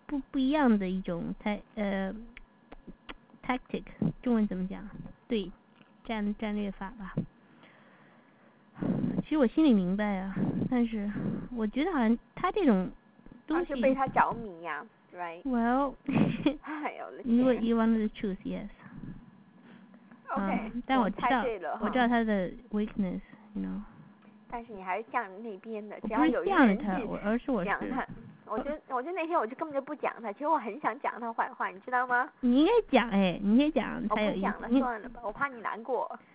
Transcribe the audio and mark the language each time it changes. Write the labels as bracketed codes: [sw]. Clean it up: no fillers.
[zh] 不一样的一种tactic， 中文怎么讲？对，战略法吧。其实我心里明白啊，但是我觉得好像他这种东西，而且被他着迷呀。 [en] Right. Well, you want to choose, yes. Okay. [zh] 但我知道，我知道他的 weakness, [en] you know. [zh] 但是你还是向那边的，只要有一个人去讲他，而是我讲他。我就那天我就根本就不讲他，其实我很想讲他坏话，你知道吗？你应该讲哎，你先讲才有意思。我不讲了，算了吧，我怕你难过。